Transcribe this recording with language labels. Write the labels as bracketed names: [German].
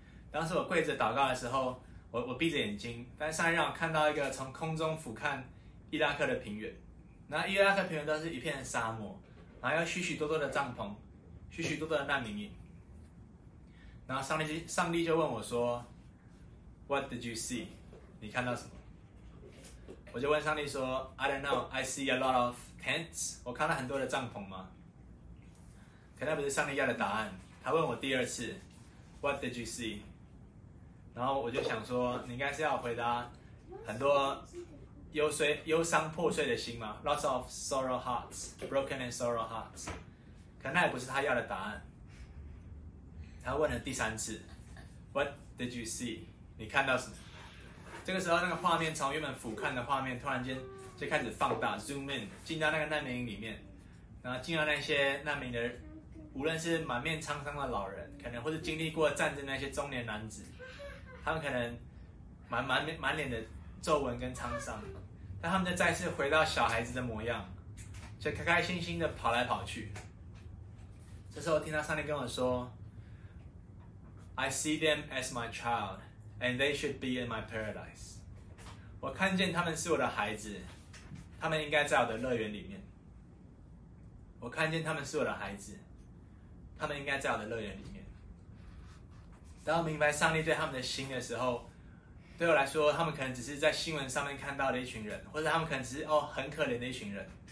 [Chinese] 当时我跪着祷告的时候，我闭着眼睛，但上帝让我看到一个从空中俯瞰伊拉克的平原。那伊拉克平原都是一片沙漠，然后有许许多多的帐篷，许许多多的难民营。然后上帝就问我说， [English] What did you see? [Chinese] 你看到什么？我就问上帝说 [English] I don't know, I see a lot of tents. [Chinese] 我看到很多的帐篷吗？可那不是上帝要的答案。他问我第二次 [English] What did you see? [Chinese] 然后我就想说，你应该是要回答很多忧伤破碎的心吗？ [English] Lots of sorrow hearts, broken and sorrow hearts. [Chinese] 可那也不是他要的答案。他问了第三次 [English] What did you see? [Chinese] 你看到什么？这个时候，那个画面从原本俯瞰的画面，突然间就开始放大 ，zoom in， 进到那个难民营里面，然后进到那些难民的，无论是满面沧桑的老人，可能或是经历过战争的那些中年男子，他们可能满脸的皱纹跟沧桑，但他们就再次回到小孩子的模样，就开开心心的跑来跑去。这时候，听到上帝跟我说 ， [English] I see them as my child。 And they should be in my paradise. [Chinese] 我看见他们是我的孩子，他们应该在我的乐园里面。我看见他们是我的孩子，他们应该在我的乐园里面。当我明白上帝对他们的心的时候，对我来说，他们可能只是在新闻上面看到的一群人，或者他们可能只是很可怜的一群人。